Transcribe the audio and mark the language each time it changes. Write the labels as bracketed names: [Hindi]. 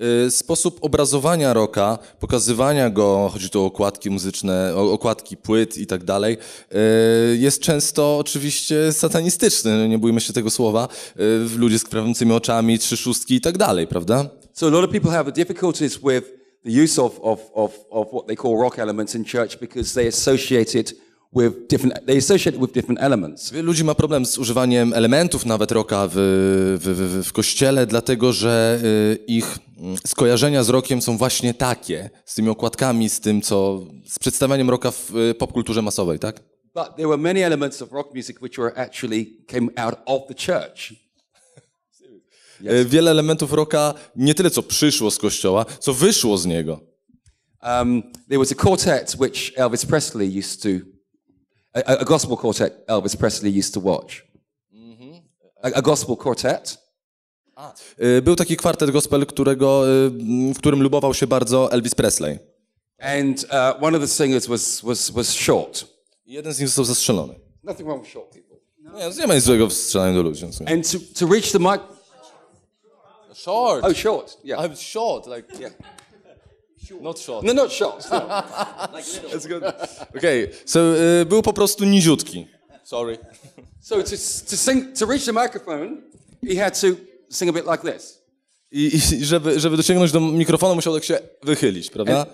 [Polish] Sposób obrazowania rocka, pokazywania go, chodzi tu o okładki muzyczne, okładki płyt i tak dalej, jest często oczywiście satanistyczny, nie bójmy się tego słowa, w ludzi z krwawiącymi oczami, trzy szóstki i tak dalej, prawda? [English] So a lot of people have difficulties with the use of what they call rock elements in church because they associate it with different, they associate with different elements. [Polish] Wielu ludzi ma problem z używaniem elementów nawet rocka w kościele, dlatego że ich skojarzenia z rockiem są właśnie takie, z tymi okładkami, z tym co, z przedstawianiem rocka w popkulturze masowej, tak? [English] But there were many elements of rock music which were actually came out of the church. Yes. [Polish] Wiele elementów rocka nie tyle co przyszło z kościoła, co wyszło z niego. [English] There was a quartet which Elvis Presley used to. A gospel quartet Elvis Presley used to watch. A gospel quartet. [Polish] Był taki kwartet gospel, którego, w którym lubował się bardzo Elvis Presley. [English] And one of the singers was short. [Polish] Jeden z nich został zastrzelony. [English] Nothing wrong with short people. No. [Polish] Nie ma nic złego w strzelaniu do ludzi. [English] And to reach the mic. Short. Oh, short. Yeah. I'm short. Like. Yeah. Not short. No, not short. That's good. Okay, so był po prostu niziutki. Sorry. So to reach the microphone, he had to sing a bit like this. [Polish] I żeby dosięgnąć do mikrofonu, musiał tak się wychylić, prawda?